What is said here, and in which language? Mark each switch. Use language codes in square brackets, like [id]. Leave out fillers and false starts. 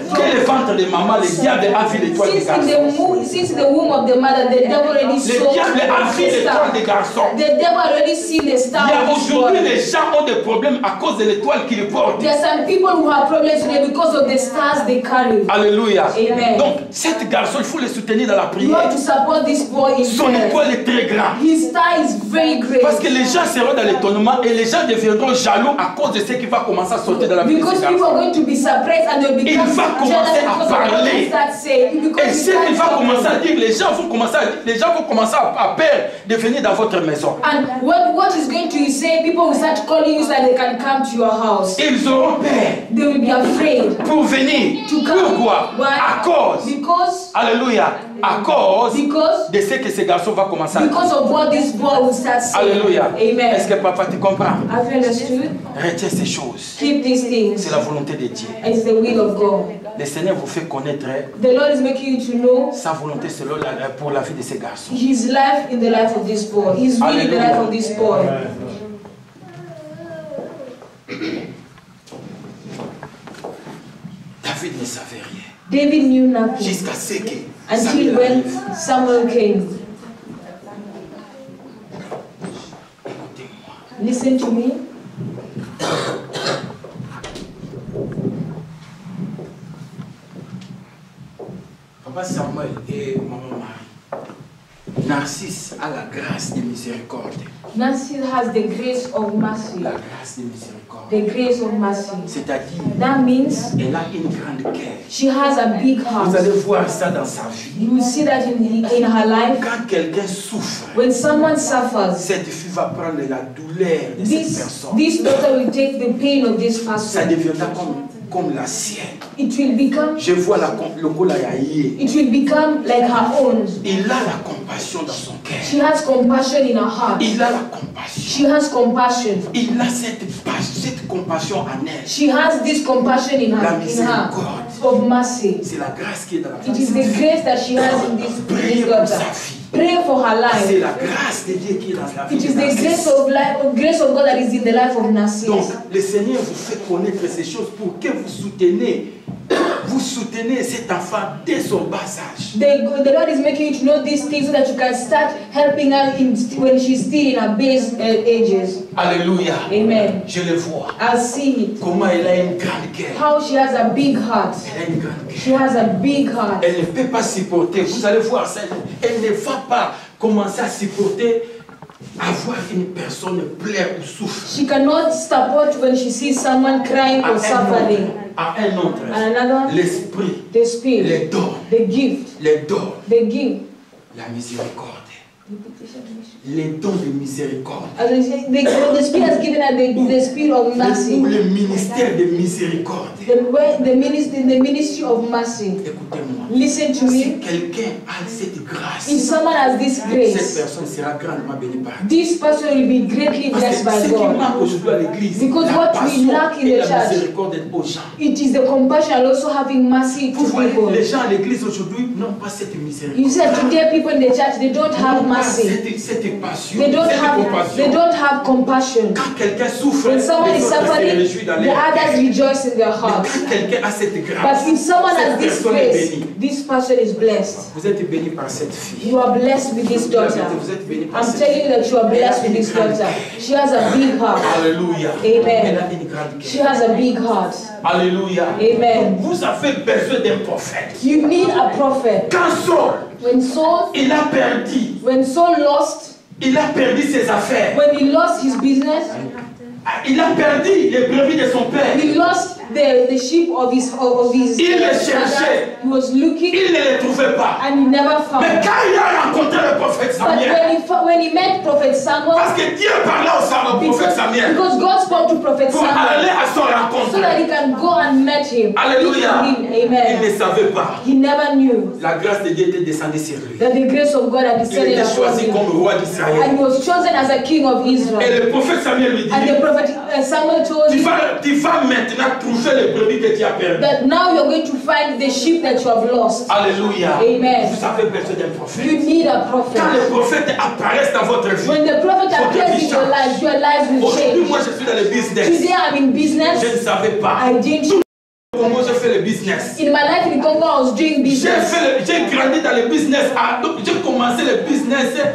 [fr] Dès le ventre de maman, le diable a vu l'étoile des garçons. [en] Since the womb of the mother, the devil already saw. [fr] Le diable a vu l'étoile des garçons. [en] The devil already seen the star. [fr] Il y a aujourd'hui les gens ont des problèmes à cause de l'étoile qu'ils portent. [en] There are some people who have problems today because of the stars they carry. [fr] Alléluia. Amen. Donc, cet garçon, il faut le soutenir dans la prière. [en] You have to support this boy in [fr] Son étoile est très grande. [en] His star is very great. [fr] Parce que les gens seront dans l'étonnement. Et les gens deviendront jaloux à cause de ce qui va commencer à sauter dans la vie [en] Because [fr] de [en] people are going to be surprised and they'll become [fr] Il va commencer à parler. [en] Saying, [fr] Et ce qui va commencer à dire, les gens vont commencer à peur de venir dans votre maison. [en] And what is going to say? People will start calling you so that they can come to your house. [fr] Ils auront peur. [en] They will be afraid. [fr] Pour venir. [en] To come. [fr] Pourquoi? [en] Why? [fr] À cause. [en] Because. [fr] Alléluia. À cause de ce que ce garçon va commencer à dire. [en] Because of what this boy will start saying. [fr] Alléluia. Amen. Est-ce que papa tu comprends? [en] Have you understood? [fr] Retiens ces choses. [en] Keep these things. [fr] C'est la volonté de Dieu. [en] It's the will of God. [fr] Le Seigneur vous fait connaître. [en] The Lord is making you to know. [fr] Sa volonté selon la pour la vie de ce garçon. [en] His life in the life of this boy. His will in the life of this boy. [fr] David ne savait rien. [en] David knew nothing. [fr] Jusqu'à ce que [en] Until when Samuel came. Listen to me. [fr] Papa Samuel et maman Marie. Narcisse a la grâce de miséricorde. [en] Narcisse has the grace of mercy. [fr] La grâce de miséricorde. [en] The grace of mercy. [fr] C'est-à-dire. [en] That means. [fr] Elle a une grande cœur. [en] She has a big heart. [fr] Vous allez voir ça dans sa vie. [en] You will see that in her life. [fr] Quand quelqu'un souffre. [en] When someone suffers. [fr] Cette fille va prendre la douleur de cette personne. [en] This daughter will take the pain of this person. [fr] Ça deviendra comme la sienne. [en] It will become. [fr] Je vois la le cola yaïe. [en] It will become like her own. [fr] Il a la compassion dans son cœur. [en] She has compassion in her heart. [fr] Il a la compassion. [en] She has compassion. [fr] Il a cette compassion en elle. [en] She has this compassion in her. [fr] La miséricorde. [en] Of mercy. [fr] C'est la grâce qui est dans la [en] It is the grace that she has in this daughter. Pray for her. Pray for her. her life. [fr] C'est la grâce de Dieu qui est dans la vie. [en] It is the grace of life, the grace of God that is in the life of Narcisse. [fr] Donc, le Seigneur vous fait connaître ces choses pour que vous souteniez. Vous soutenez cet enfant dès son bas âge. [en] The Lord is making you to know these things so that you can start helping her in, when she's still in her base ages. [fr] Alléluia. Amen. Je le vois. [en] I see it. [fr] Comment elle a une grande cœur. [en] How she has a big heart. [fr] Elle a une grande cœur. [en] She has a big heart. [fr] Elle ne peut pas supporter. Vous allez voir ça. Elle ne va pas commencer à supporter. Avoir une personne pleure ou souffre. [en] She cannot support when she sees someone crying or suffering. [fr] À un autre. [en] And another. [fr] L'esprit. [en] The spirit. [fr] Les dons. [en] The gift. [fr] Les dons. [en] The gift. [fr] La miséricorde. Les dons de miséricorde. [en] The spirit has given her the spirit of mercy. [fr] Ou le ministère de miséricorde. [en] The ministry of mercy. [fr] Écoutez-moi. [en] Listen to me. [fr] Si quelqu'un a cette grâce. [en] If someone has this grace. [fr] Cette personne sera grandement bénie par Dieu. [en] This person will be greatly blessed by God. [fr] Parce que ce qui manque aujourd'hui à l'église. [en] Because what we lack in the church. [fr] La miséricorde aux gens. [en] It is the compassion and also having mercy to people. [fr] Vous voyez, les gens à l'église aujourd'hui n'ont pas cette miséricorde. [en] You said today people in the church they don't have mercy. They don't have compassion. [fr] Quand quelqu'un souffre, [en] when someone is suffering, the others rejoice in their heart. [fr] Quand quelqu'un a cette grâce, [en] but if someone has this grace, this person is blessed. [fr] Vous êtes béni par cette fille. [en] You are blessed with this daughter. [fr] Vous êtes béni par [en] I'm [fr] cette [en] telling you that you are blessed with this daughter. She has a big heart. Hallelujah. Amen. [fr] Elle a [en] she has a big heart. Hallelujah. Amen. [fr] Donc vous avez besoin d'un prophète. [en] You need a prophet. [fr] Quand Saul, [en] when Saul, [fr] il a perdu. [en] When Saul lost, [fr] il a perdu ses affaires. [en] When he lost his business, [fr] il a perdu les brebis de son père. [en] He lost the sheep of his. [fr] Il les cherchait. [en] He was looking. [fr] Il ne les trouvait pas. [en] And he never found. [fr] Mais quand il a rencontré le prophète Samuel, [en] but when he met Prophet Samuel, [fr] parce que Dieu parlait au prophète Samuel, [en] because God spoke to Prophet [fr] pour [en] Samuel, [fr] aller à son rencontre, [en] so that he can go and meet him. [fr] Alléluia. Amen. Il ne savait pas. [en] He never knew. [fr] La grâce de Dieu était descendue sur lui. [en] That the grace of God had descended. [fr] Il était choisi comme roi d'Israël. [en] And he was chosen as a king of Israel. [fr] Et le prophète Samuel lui dit. [en] And the prophet Samuel told him. [fr] Tu vas maintenant trouver. [en] But now you're going to find the sheep that you have lost. [fr] Alléluia. Amen. Vous avez besoin d'un prophète. [en] You need a prophet. [fr] Quand le prophète apparaît dans votre vie, [en] when the prophet appears in your life, your life will change. [fr] Aujourd'hui, moi, je suis dans le business. [en] Today I'm in business. [fr] Je ne savais pas. [en] I didn't. [fr] Comment je fais le business? [en] In my life in Congo, I was doing business. [fr] J'ai grandi dans le business. J'ai commencé le business.